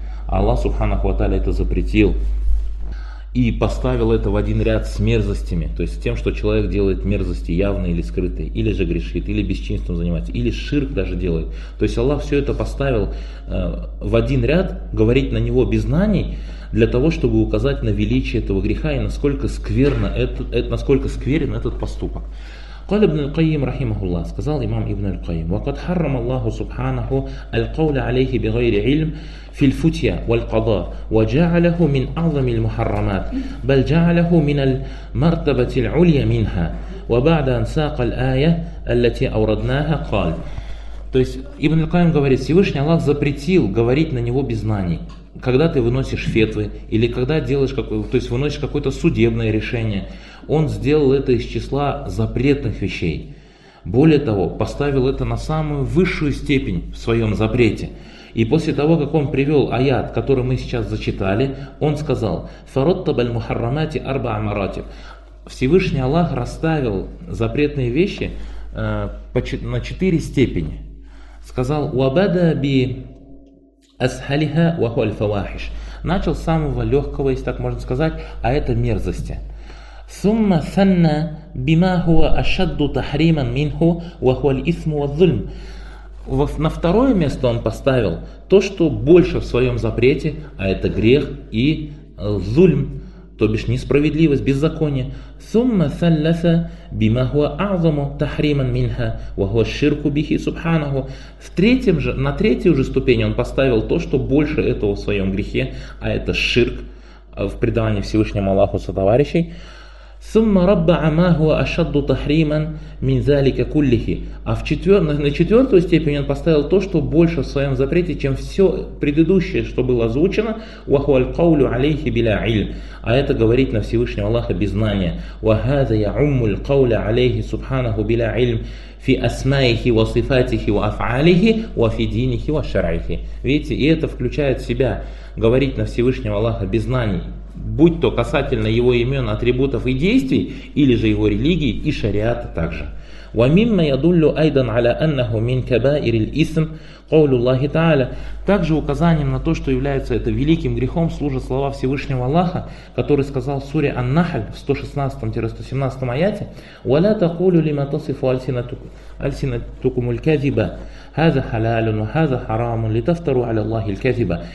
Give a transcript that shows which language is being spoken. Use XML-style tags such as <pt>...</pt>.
<ru>Аллах Субханаху ва Тааля это запретил и поставил это в один ряд с мерзостями, то есть с тем, что человек делает мерзости явные или скрытые, или же грешит, или бесчинством занимается, или ширк даже делает. То есть Аллах все это поставил в один ряд, говорить на него без знаний, для того, чтобы указать на величие этого греха и насколько скверно это, насколько скверен этот поступок.</ru> <ar>قال ابن القيم رحمه الله</ar> <ru>сказал имам</ru> <ar>ابن القيم وقد حرم الله سبحانه القول عليه بغير علم في الفتيا والقضاء وجعله من أعظم المحرمات بل جعله من المرتبة العليا منها وبعد أن ساق الآية التي أوردناها قال.</ar> <ru>То есть ابن القيم говорит, Всевышний Аллах запретил говорить на него без знаний. Когда ты выносишь фетвы или когда делаешь выносишь какое-то судебное решение, он сделал это из числа запретных вещей. Более того, поставил это на самую высшую степень в своем запрете. И после того, как он привел аят, который мы сейчас зачитали, он сказал:</ru> <ar>«Фароттаба аль-мухаррамати арба амаратиб».</ar> <ru>Всевышний Аллах расставил запретные вещи на четыре степени. Сказал:</ru> <ar>«Уабада би асхалиха ваху аль-фавахиш».</ar> <ru>Начал с самого легкого, если так можно сказать, а это мерзости.</ru> <ar>ثم ثنى بما هو أشد تحريما منه وهو الإثم والظلم.</ar> <ru>На второе место он поставил то, что больше в своем запрете, а это грех и зульм, то бишь несправедливость, беззаконие.</ru> <ar>ثم ثلث بما هو أعظم تحريما منها وهو الشرك به سبحانه.</ar> <ru>На третью же ступень он поставил то, что больше этого в своем грехе, а это ширк в предавании Всевышнему Аллаху сотоварищей.</ru> <ar>ثم ربع ما هو أشد تحريما من ذلك كله.</ar> <ru>А на четвертую степень он поставил то, что больше в своем запрете, чем все предыдущее, что было озвучено.</ru> <ar>وهو القول عليه بلا علم.</ar> <ru>А это говорить на Всевышнего Аллаха без знания.</ru> <ar>وهذا يعم القول عليه سبحانه بلا علم في أسمائه وصفاته وأفعاله وفي دينه وشرعه.</ar> <ru>Видите, и это включает в себя говорить на Всевышнего Аллаха без знаний, будь то касательно его имен, атрибутов и действий, или же его религии и шариата также.</ru> <ar>وَمِمَّا يَدُلُّ أَيْضًا عَلَىٰ أَنَّهُ مِنْ كَبَائِرِ الْإِثْمِ قَوْلُ اللَّهِ تَعَالَىٰ.</ar> <ru>Также указанием на то, что является это великим грехом, служат слова Всевышнего Аллаха, который сказал в суре «Ан-Нахль» в 116-117 аяте:</ru> <ar>«وَلَا تَقُولُ لِمَا تَصِفُ أَلْسِنَتُكُمُ الْكَذِبَ هَذَا حَلَالٌ وَهَذَا حَرَامٌ لِتَفْتَرُوا عَلَى اللَّهِ الْكَذِبَ».</ar>